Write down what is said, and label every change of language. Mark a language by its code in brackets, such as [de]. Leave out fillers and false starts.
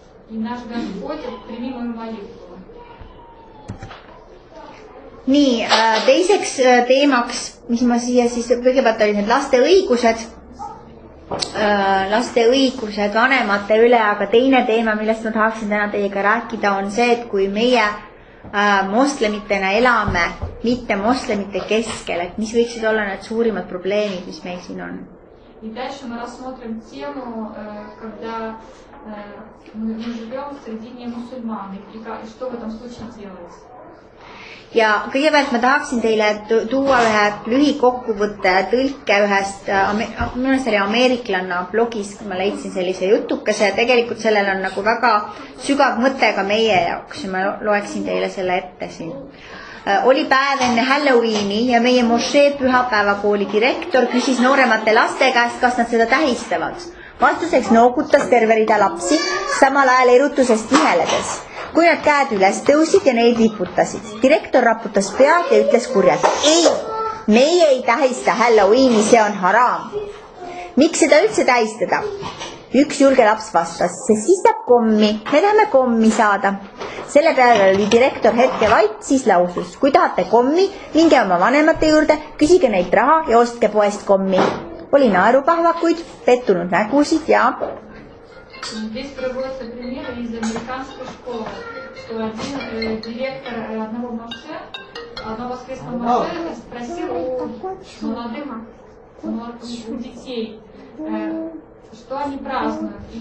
[ru] И наш Господь, прими мою молитву. [et] Nii, teiseks teemaks, mis ma siia siis kõigepealt olin, et laste õigused vanemate üle, aga teine teema, millest ma tahaksin täna teiega rääkida, on see, et kui meie moslemitena elame, mitte moslemite keskel, et mis võiksid olla need suurimad probleemid, mis meil siin on. [ru] И дальше мы рассмотрим тему, когда мы живем среди немусульман, и что в этом случае делается. [et] Ja kõigepealt ma tahaksin teile tuua ühe lühikokkuvõtte tõlke ühest, mõnes oli ameeriklanna blogis, kui ma leidsin sellise jutukese ja tegelikult sellel on nagu väga sügav mõte ka meie jaoks ja ma loeksin teile selle ette siin. Oli päev enne Halloweeni ja meie Moshe pühapäevakooli direktor küsis nooremate laste käest, kas nad seda tähistavad. Vastuseks noogutas terve rida lapsi, samal ajal erutuses tiheledes. Kui nad käed üles tõusid ja neid liputasid, direktor raputas pead ja ütles kurjalt, ei, meie ei tähista Halloweeni, see on haram. Miks seda üldse tähistada? Üks julge laps vastas, see siis saab kommi, me tahame kommi saada. Selle peale oli direktor hetke vaid, siis lausus, kui tahate kommi, minge oma vanemate juurde, küsige neid raha ja ostke poest kommi. Oli naerupahvakuid, pettunud nägusid ja... [ru] Здесь проводится пример из американской школы, что один директор одного Моше, одного воскресного Моше спросил у молодых детей, что они празднуют.